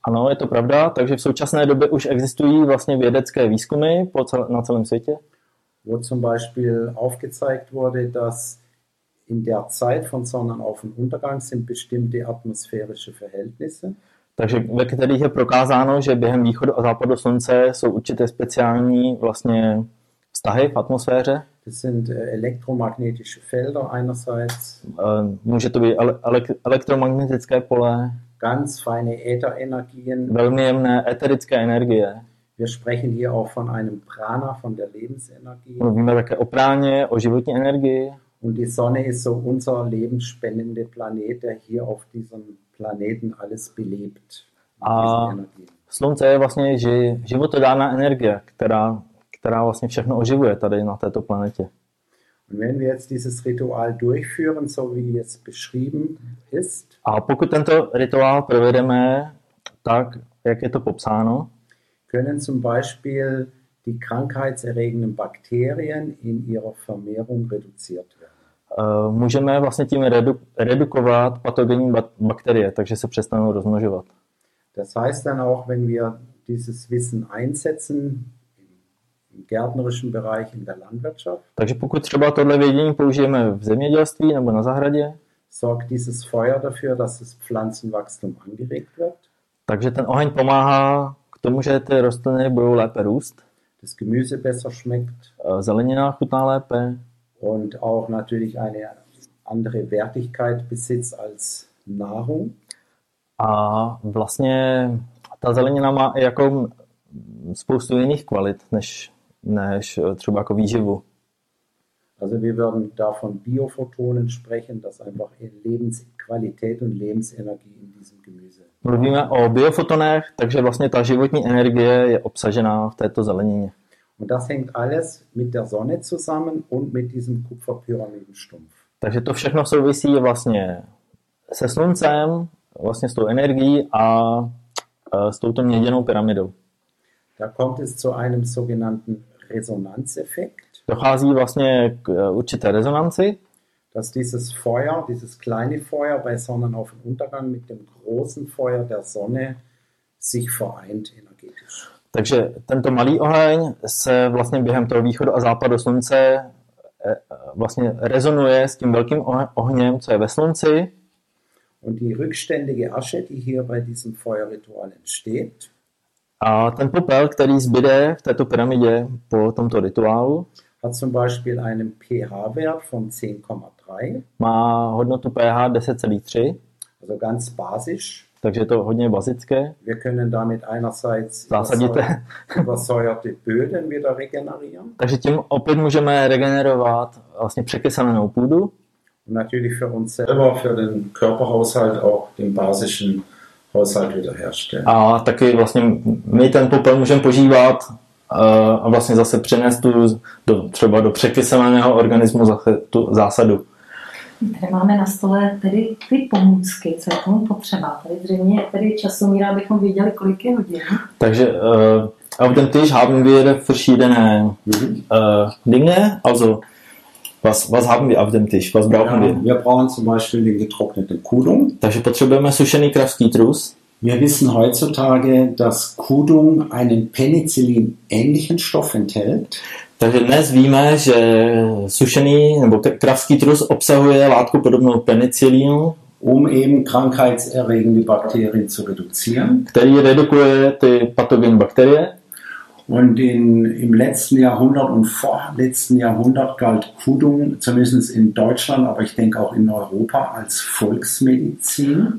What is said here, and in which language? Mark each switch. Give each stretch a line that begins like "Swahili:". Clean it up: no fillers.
Czech: Ano, je to pravda, takže v současné době už existují vlastně vědecké výzkumy na celém světě.
German: Wo zum Beispiel aufgezeigt wurde, dass in der Zeit von Sonnenauf- und Untergang sind bestimmte atmosphärische Verhältnisse.
Czech: Takže ve kterých je prokázáno, že během východu a západu slunce jsou určité speciální vlastně vztahy v atmosféře.
German: To sind elektromagnetische Felder einerseits.
Czech: Může to být elektromagnetické pole.
German: Ganz feine Ätherenergien.
Czech: Velmi jemné eterické energie.
German: Wir sprechen hier auch von einem Prana, von der Lebensenergie.
Czech: Mluvíme také o práně, o životní energii.
German: Und die Sonne ist so unser lebensspendende Planet, der hier auf diesem Planeten alles belebt.
Czech: A slunce je vlastně životodárná energie, která vlastně všechno oživuje tady na této planetě.
German: Und wenn wir jetzt dieses Ritual durchführen, so wie jetzt beschrieben ist.
Czech: A pokud tento rituál provedeme tak, jak je to popsáno,
German: können zum Beispiel die krankheitserregenden Bakterien in ihrer Vermehrung reduziert werden.
Czech: Můžeme vlastně tím redukovat patogenní bakterie, takže se přestanou rozmnožovat.
German: Das heißt dann auch, wenn wir dieses Wissen einsetzen im gärtnerischen Bereich in der Landwirtschaft.
Czech: Takže pokud třeba tohle vědění použijeme v zemědělství nebo na zahradě,
German: sorgt dieses Feuer dafür, dass das Pflanzenwachstum angeregt wird.
Czech: Takže ten oheň pomáhá k tomu, že ty rostliny budou lépe růst.
German: Das Gemüse besser schmeckt.
Czech: Zelenina chutná lépe.
German: Und auch natürlich eine andere Wertigkeit besitzt als Nahrung.
Czech: A vlastně ta zelenina má jako spoustu jiných kvalit než třeba jako výživu.
German: Also wir würden davon Biophotonen sprechen, dass einfach Lebensqualität und Lebensenergie in diesem Gemüse.
Czech: Mluvíme o biofotonech, takže vlastně ta životní energie je obsažená v této zelenině.
German: Und das hängt alles mit der Sonne zusammen und mit diesem Kupferpyramidenstumpf.
Czech: Takže to všechno souvisí vlastně se sluncem, vlastně s tou energií a s touto měděnou pyramidou.
German: Da kommt es zu einem sogenannten Resonanzeffekt.
Czech: Dochází vlastně k určité rezonanci.
German: Dass dieses Feuer, dieses kleine Feuer bei Sonnenauf- und Untergang mit dem großen Feuer der Sonne sich vereint energetisch.
Czech: Takže tento malý oheň se vlastně během toho východu a západu slunce vlastně rezonuje s tím velkým ohněm, co je ve slunci.
German: Und die rückständige Asche, die hier bei diesem Feuerritual entsteht.
Czech: A ten popel, který zbyde v této pyramidě po tomto rituálu,
German: hat zum Beispiel einen pH-Wert von 10,3.
Czech: Má hodnotu pH 10,3.
German: Also ganz basisch.
Czech: Takže je to hodně bazické.
German: Wir können damit einerseits
Czech: zásadíte.
German: Übersäuerte Böden wieder regenerieren.
Czech: Takže tím opět můžeme regenerovat vlastně překysanou půdu.
German: Natürlich für uns selber, für den Körperhaushalt auch den basischen Haushalt wieder herstellen.
Czech: A taky vlastně my ten popel můžeme požívat a vlastně zase přenést tu do, třeba do překyseleného organismu tu zásadu. Tady máme na stole tedy ty pomůcky, co je tomu potřeba. Tady zřejmě je tady časomíra, abychom věděli, kolik je hodin.
German: Takže auf dem Tisch haben wir verschiedene Dinge, also was haben wir auf dem Tisch, was brauchen wir? Wir brauchen zum Beispiel den getrockneten Kudung.
Czech: Takže potřebujeme sušený kravský trus.
German: Wir wissen heutzutage, dass Kudung einen Penicillin-ähnlichen Stoff enthält.
Czech: Takže dnes víme, že sušený nebo kravský trus obsahuje látku podobnou penicillinu,
German: um eben krankheitserregende Bakterien zu reduzieren.
Czech: Který redukuje ty patogenní bakterie.
German: Und im letzten Jahrhundert und vorletzten Jahrhundert galt Kudung, zumindest in Deutschland, aber ich denke auch in Europa, als Volksmedizin.